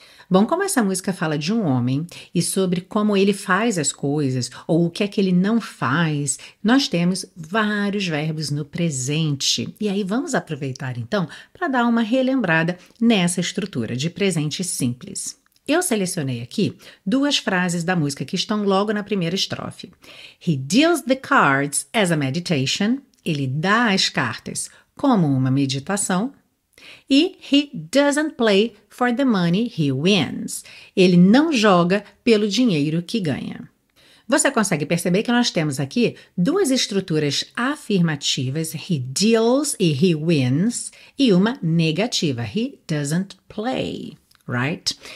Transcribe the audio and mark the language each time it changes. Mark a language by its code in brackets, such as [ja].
[pt] Bom, como essa música fala de um homem e sobre como ele faz as coisas ou o que é que ele não faz, nós temos vários verbos no presente. E aí vamos aproveitar então para dar uma relembrada nessa estrutura de presente simples. Eu selecionei aqui duas frases da música que estão logo na primeira estrofe. [en] He deals the cards as a meditation. [pt] Ele dá as cartas como uma meditação. [en] E he doesn't play for the money he wins. [pt] Ele não joga pelo dinheiro que ganha. Você consegue perceber que nós temos aqui duas estruturas afirmativas, he deals e he wins, e uma negativa, [en] he doesn't play, [pt] right?